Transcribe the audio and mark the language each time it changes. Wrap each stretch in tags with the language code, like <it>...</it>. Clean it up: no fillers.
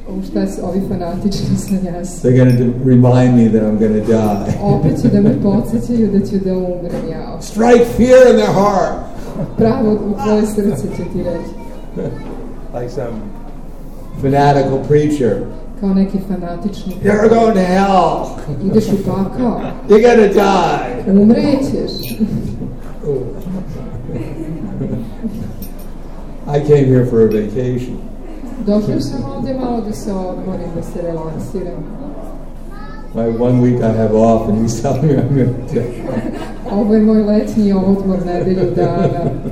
<sr>Šta su ovi fanatični sannyasis?</sr> <en>They're going to remind me that I'm going to die.</en> <sr>Opet će da me podsjećaju da ću da umrem ja.</sr> <en>Strike fear in their heart.</en> <sr>Pravo u tvoje srce će ti reći.</sr> <en>Like some fanatical preacher.</en> <sr>Kao neki fanatični.</sr> <en>You're going to hell.</en> <sr>Ideš u pakao.</sr> <en>You're going to die.</en> <sr>Umrećeš.</sr> <en>I came here for a vacation.</en> <sr>Došao sam ovdje malo da se odmorim, da se relaksiram.</sr> <en>My 1 week I have off and he's telling me I'm going to die.</en> <sr>Ovo je moj letnji odmor, nedelju dana.</sr>